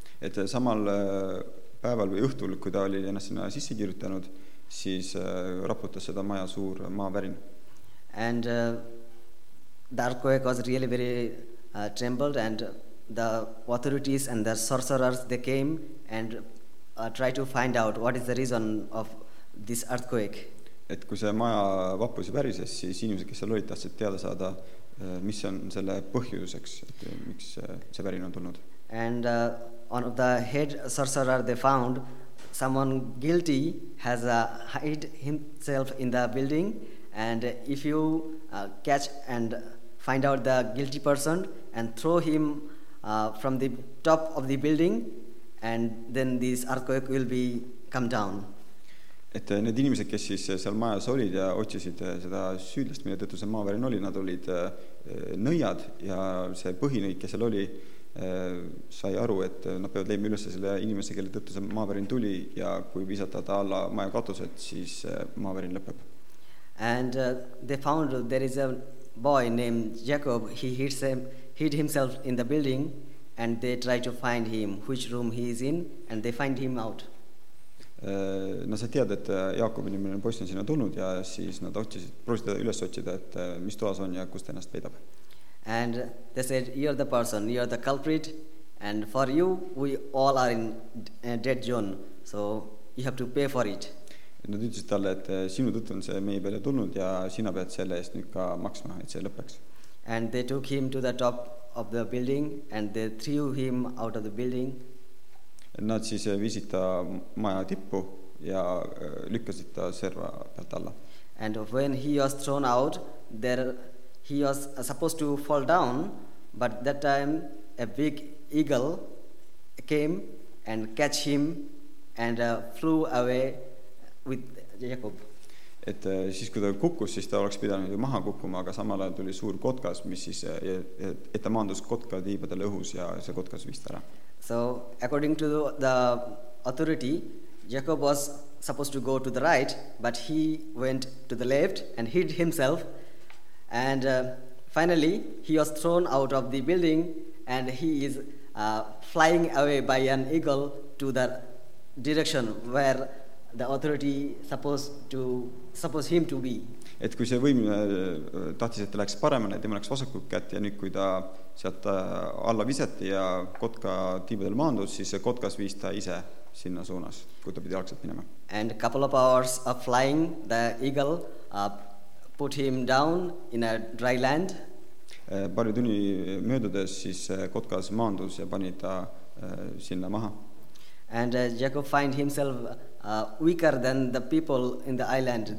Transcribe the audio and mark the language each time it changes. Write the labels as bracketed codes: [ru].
[et] Et samal päeval või õhtul, kui ta oli ennast sinna sisse kirjutanud, siis raputas seda maja suur maavärin. [en] And the earthquake was really very trembled and the authorities and the sorcerers, they came and tried to find out what is the reason of this earthquake. [et] Et kui see maja vappus ja värises, siis inimesed, kes seal olid, tahtsid teada saada, mis on selle põhjuseks, et miks see värin on tulnud. [en] And on the head sorcerer, they found someone guilty has hid himself in the building And if you catch and find out the guilty person and throw him from the top of the building, and then this earthquake will be come down. [et] Et need inimesed, kes siis seal majas olid ja otsisid seda süüdlast, mille tõttu see maavärin oli, nad olid nõjad ja see põhinõik, kes seal oli, sai aru, et nad peavad leima üles selle inimese, kelle tõttu see maavärin tuli ja kui visata ta alla maja katused, siis maavärin lõpeb. [en] And they found there is a boy named Jacob. He hid himself in the building and they try to find him, which room he is in, and they find him out. [et] Nad sa tead, et Jaakobi nimeline poiss on sinna tulnud ja siis nad otsisid, proovisid üles otsida, et mis toas on ja kust ennast peidab. [en] And they said, you are the person, you are the culprit, and for you, we all are in a dead zone, so you have to pay for it. [et] Nad ütlesid talle, et sinu tõttu on see meie peale tulnud ja sina pead selle eest nüüd ka maksma, et see lõpeks. [en] And they took him to the top of the building and they threw him out of the building. [et] Nad siis viisid ta maja tippu ja lükkasid ta serva pealt alla. [en] And when he was thrown out, there he was supposed to fall down, but that time a big eagle came and catch him and flew away with Jacob. [et] Et siis kui ta kukkus, siis ta oleks pidanud ju maha kukkuma, aga samal ajal tuli suur kotkas, mis siis, et ta maandus kotka tiibadele õhus ja see kotkas vist ära. [en] So according to the authority, Jacob was supposed to go to the right, but he went to the left and hid himself. And finally, he was thrown out of the building and he is flying away by an eagle to the direction where the authority supposed him to be. [et] Et kui see võim tahtis, et ta läks paremale, tema läks vasakult kätt ja nüüd kui ta sealt alla viseti ja kotka tiibadel maandus, siis see kotkas viis ta ise sinna suunas, kui ta pidi algselt minema. [en] And a couple of hours of flying, the eagle put him down in a dry land. [et] Pari tunni möödudes siis kotkas maandus ja pani ta sinna maha. [en] And Jacob find himself weaker than the people in the island.